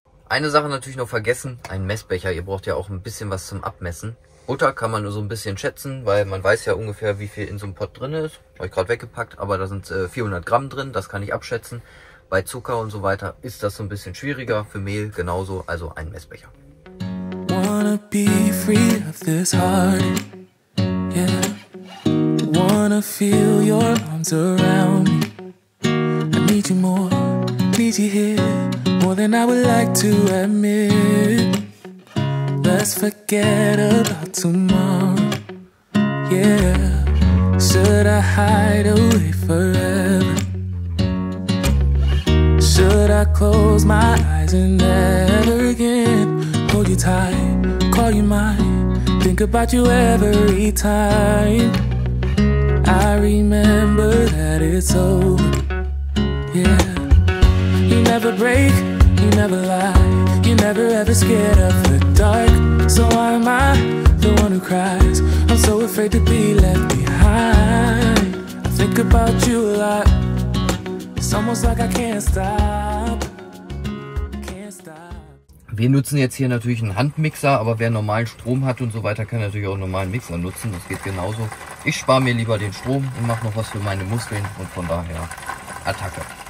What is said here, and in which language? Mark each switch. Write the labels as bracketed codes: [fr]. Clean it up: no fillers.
[de] Eine Sache natürlich noch vergessen, ein Messbecher, ihr braucht ja auch ein bisschen was zum Abmessen. Butter kann man nur so ein bisschen schätzen, weil man weiß ja ungefähr, wie viel in so einem Pott drin ist. Habe ich gerade weggepackt, aber da sind 400 Gramm drin, das kann ich abschätzen. Bei Zucker und so weiter ist das so ein bisschen schwieriger, für Mehl genauso, also ein Messbecher. [en] Wanna be free of this heart, yeah. Wanna feel your arms around me. I need you here, more than I would like to admit. Let's forget about tomorrow, yeah. Should I hide away forever? Should I close my eyes and never again hold you tight, call you mine, think about you every time I remember that it's over, yeah. You never break, you never lie, you're never ever scared of the dark. So why am I the one who cries? I'm so afraid to be left behind. I think about you a lot. It's almost like I can't stop. [de] Wir nutzen jetzt hier natürlich einen Handmixer, aber wer normalen Strom hat und so weiter, kann natürlich auch einen normalen Mixer nutzen. Das geht genauso. Ich spare mir lieber den Strom und mache noch was für meine Muskeln und von daher Attacke.